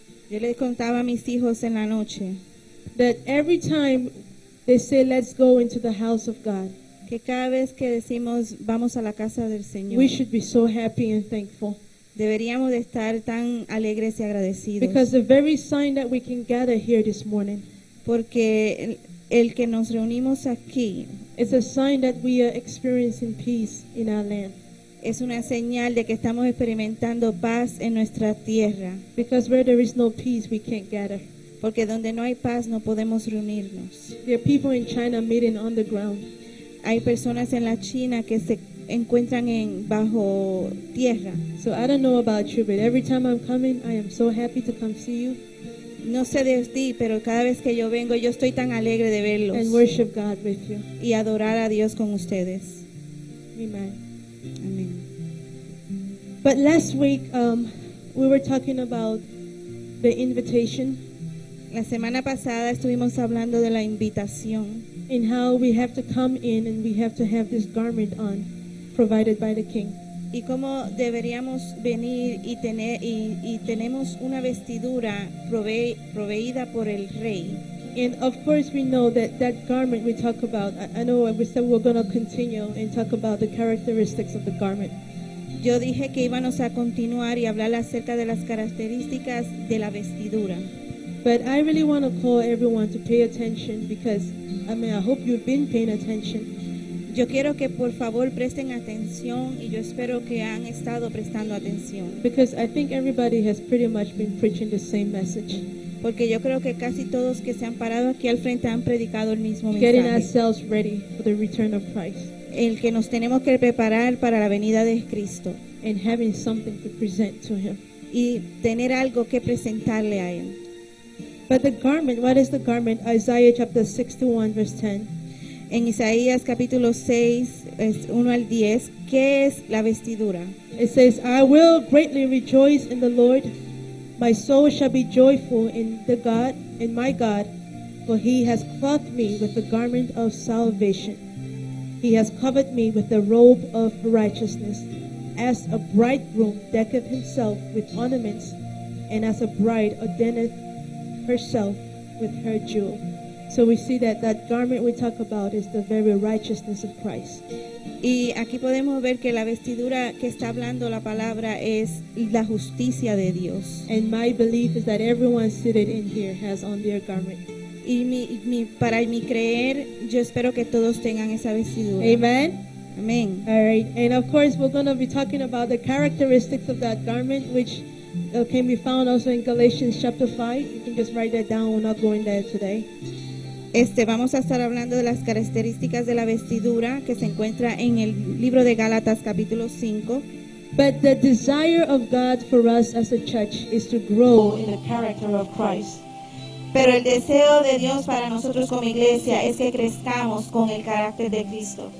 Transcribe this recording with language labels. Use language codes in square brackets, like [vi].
[es] Yo les contaba a mis hijos en la noche. [en] That every time they say, "Let's go into the house of God." [es] Que cada vez que decimos, "Vamos a la casa del Señor." [en] We should be so happy and thankful. [es] Deberíamos de estar tan alegres y agradecidos. [en] Because the very sign that we can gather here this morning. [es] Porque el que nos reunimos aquí. [en] It's a sign that we are experiencing peace in our land. [es] Es una señal de que estamos experimentando paz en nuestra tierra. [en] Because where there is no peace, we can't gather. [es] Porque donde no hay paz, no podemos reunirnos. [en] There are people in China meeting on the ground. [es] Hay personas en la China que se encuentran en bajo tierra. [en] So I don't know about you, but every time I'm coming, I am so happy to come see you. [es] No sé de ti, pero cada vez que yo vengo, yo estoy tan alegre de verlos. [en] And worship God with you. [es] Y adorar a Dios con ustedes. [en] Amen. Amen. But last week, we were talking about the invitation. [es] La semana pasada estuvimos hablando de la invitación. [en] And how we have to come in and we have to have this garment on. Provided by the king. [es] Y cómo deberíamos venir y tener y tenemos una vestidura proveída por el rey. [en] And of course we know that garment we talk about. I know we said we're going to continue and talk about the characteristics of the garment. [es] Yo dije que íbamos a continuar y hablar acerca de las características de la vestidura. [en] But I really want to call everyone to pay attention because, I mean, I hope you've been paying attention. [es] Yo quiero que por favor presten atención y yo espero que han estado prestando atención. [en] Because I think everybody has pretty much been preaching the same message. [es] Porque yo creo que casi todos que se han parado aquí al frente han predicado el mismo mensaje. [en] Getting ourselves ready for the return of Christ. [es] El que nos tenemos que preparar para la venida de Cristo. [en] And having something to present to him. [es] Y tener algo que presentarle a él. [en] But the garment, what is the garment? Isaiah chapter 61 verse 10. [es] En Isaías capítulo 6, 1 al 10, ¿qué es la vestidura? [en] It says, I will greatly rejoice in the Lord. My soul shall be joyful in the God, in my God, for he has clothed me with the garment of salvation. He has covered me with the robe of righteousness, as a bridegroom decketh himself with ornaments, and as a bride adorneth herself with her jewel. So we see that garment we talk about is the very righteousness of Christ. [es] Y aquí podemos ver que la vestidura que está hablando la palabra es la justicia de Dios. [en] And my belief is that everyone seated in here has on their garment. [es] Y para mi creer, yo espero que todos tengan esa vestidura. [en] Amen. Amen. All right. And of course, we're going to be talking about the characteristics of that garment, which can be found also in Galatians chapter 5. You can just write that down. We're not going there today. [es] Vamos a estar hablando de las características de la vestidura que se encuentra en el libro de Gálatas capítulo 5. [en] But the desire of God for us as a church is to grow in the character of Christ. [es] Pero el deseo de Dios para nosotros como iglesia es que crezcamos con el carácter de Cristo.